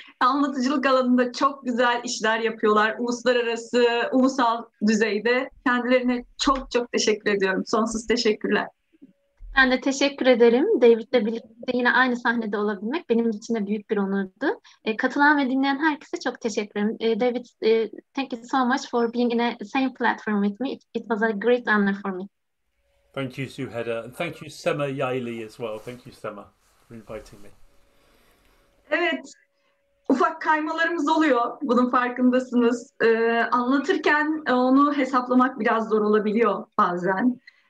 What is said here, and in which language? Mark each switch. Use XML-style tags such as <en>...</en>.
<tr>Anlatıcılık alanında çok güzel işler yapıyorlar. Uluslararası, ulusal düzeyde. Kendilerine çok çok teşekkür ediyorum. Sonsuz teşekkürler. Ben de teşekkür ederim. David'le birlikte yine aynı sahnede olabilmek benim için de büyük bir onurdu. Katılan ve dinleyen herkese çok teşekkür ederim.</tr> <en>David, thank you so much for being in the same platform with me. It was a great honor for me. Thank you, Suheda. Thank you, Sema Yaili as well. Thank you, Sema, for inviting me.</en> <tr>Evet, ufak kaymalarımız oluyor. Bunun farkındasınız. Anlatırken onu hesaplamak biraz zor olabiliyor bazen.</tr>